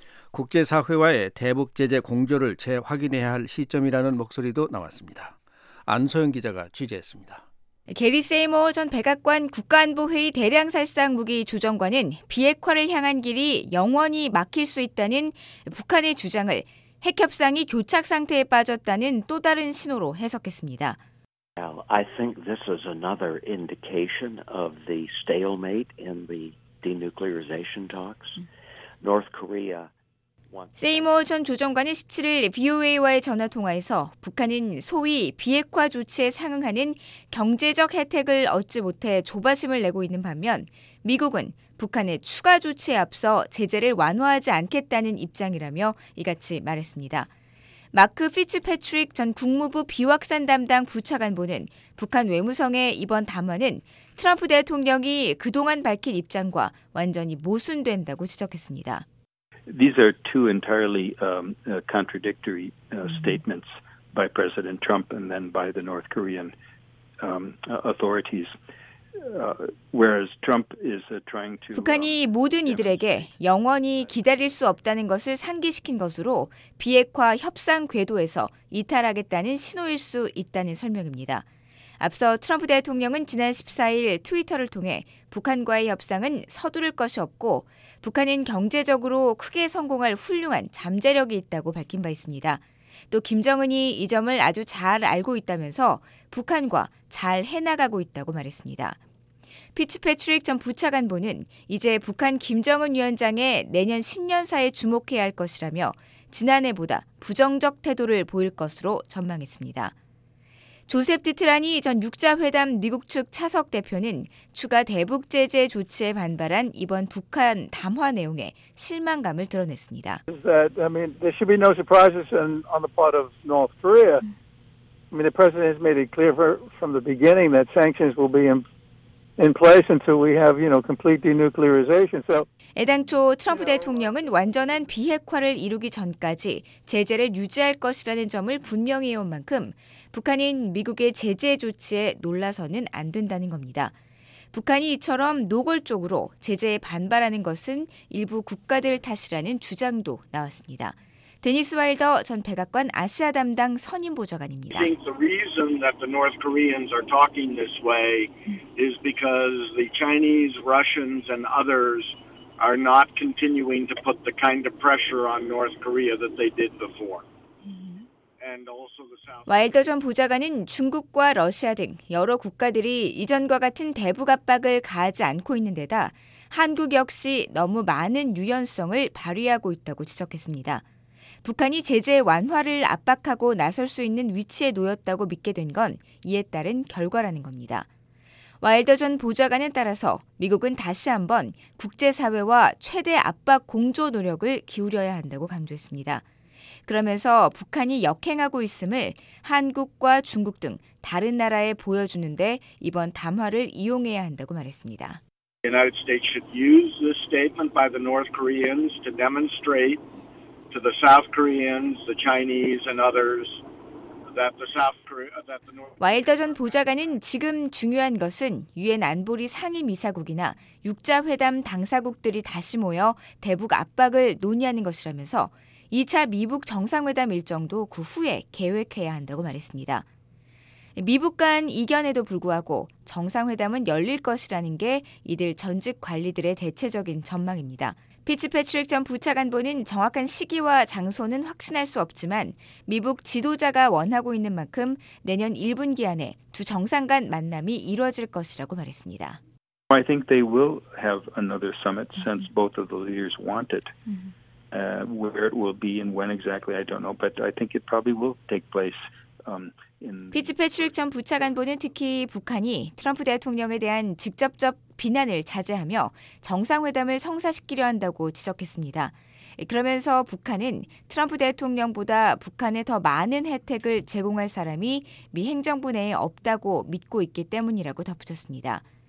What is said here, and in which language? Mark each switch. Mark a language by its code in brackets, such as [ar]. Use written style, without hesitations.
[ko] 국제사회와의 대북 제재 공조를 재확인해야 할 시점이라는 목소리도 나왔습니다. 안소영 기자가 취재했습니다. 게리 세이머 전 백악관 국가안보회의 대량살상무기 조정관은 비핵화를 향한 길이 영원히 막힐 수 있다는 북한의 주장을 핵협상이 교착상태에 빠졌다는 또 다른 신호로 해석했습니다. [en] I think this is another indication of the stalemate in the denuclearization talks. North Korea. [ko] 세이머 전 조정관은 17일 VOA와의 전화통화에서 북한은 소위 비핵화 조치에 상응하는 경제적 혜택을 얻지 못해 조바심을 내고 있는 반면 미국은 북한의 추가 조치에 앞서 제재를 완화하지 않겠다는 입장이라며 이같이 말했습니다. 마크 피츠패트릭 전 국무부 비확산 담당 부차관보는 북한 외무성의 이번 담화는 트럼프 대통령이 그동안 밝힌 입장과 완전히 모순된다고 지적했습니다. [en] These are two entirely contradictory statements by President Trump and then by the North Korean authorities. Whereas Trump is trying to [ko] 북한이 모든 이들에게 영원히 기다릴 수 없다는 것을 상기시킨 것으로 비핵화 협상 궤도에서 이탈하겠다는 신호일 수 있다는 설명입니다. 앞서 트럼프 대통령은 지난 14일 트위터를 통해 북한과의 협상은 서두를 것이 없고 북한은 경제적으로 크게 성공할 훌륭한 잠재력이 있다고 밝힌 바 있습니다. 또 김정은이 이 점을 아주 잘 알고 있다면서 북한과 잘 해나가고 있다고 말했습니다. 피츠패트릭 전 부차관보는 이제 북한 김정은 위원장의 내년 신년사에 주목해야 할 것이라며 지난해보다 부정적 태도를 보일 것으로 전망했습니다. 조셉 디트라니 전 6자회담 미국 측 차석 대표는 추가 대북 제재 조치에 반발한 이번 북한 담화 내용에 실망감을 드러냈습니다. [en] There should be no surprises on the part of North Korea. I mean, the president has made it clear from the beginning that sanctions will be in place until we have, you know, complete denuclearization. So [ko] 애당초 트럼프 대통령은 완전한 비핵화를 이루기 전까지 제재를 유지할 것이라는 점을 분명히 해온 만큼 북한은 미국의 제재 조치에 놀라서는 안 된다는 겁니다. 북한이 이처럼 노골적으로 제재에 반발하는 것은 일부 국가들 탓이라는 주장도 나왔습니다. 데니스 와일더 전 백악관 아시아 담당 선임 보좌관입니다. [en] I think the reason that the North Koreans are talking this way is because the Chinese, Russians and others are not continuing to put the kind of pressure on North Korea that they did before. [ko] 와일더 전 보좌관은 중국과 러시아 등 여러 국가들이 이전과 같은 대북 압박을 가하지 않고 있는 데다 한국 역시 너무 많은 유연성을 발휘하고 있다고 지적했습니다. 북한이 제재 완화를 압박하고 나설 수 있는 위치에 놓였다고 믿게 된 건 이에 따른 결과라는 겁니다. 와일더 전 보좌관에 따라서 미국은 다시 한번 국제사회와 최대 압박 공조 노력을 기울여야 한다고 강조했습니다. 그러면서 북한이 역행하고 있음을 한국과 중국 등 다른 나라에 보여주는데 이번 담화를 이용해야 한다고 말했습니다. [en] The United States should use this statement by the North Koreans to demonstrate to the South Koreans, the Chinese and others that the South Korea that the North [ko] 와일더 전 보좌관은 지금 중요한 것은 유엔 안보리 상임이사국이나 6자회담 당사국들이 다시 모여 대북 압박을 논의하는 것이라면서 2차 미북 정상회담 일정도 그 후에 계획해야 한다고 말했습니다. 미북 간 이견에도 불구하고 정상회담은 열릴 것이라는 게 이들 전직 관리들의 대체적인 전망입니다. 피츠패트릭 전 부차관보는 정확한 시기와 장소는 확신할 수 없지만 미북 지도자가 원하고 있는 만큼 내년 1분기 안에 두 정상 간 만남이 이루어질 것이라고 말했습니다. [en] I think they will have another summit since both of the leaders want it. Where it will be and when exactly, I don't know, but I think it probably will take place. [ko] 피츠패트릭 전 부차관보는 특히 북한이 트럼프 대통령에 대한 직접적 비난을 자제하며 정상회담을 성사시키려 한다고 지적했습니다. 그러면서 북한은 트럼프 대통령보다 북한에 더 많은 혜택을 제공할 사람이 미 행정부 내에 없다고 믿고 있기 때문이라고 덧붙였습니다.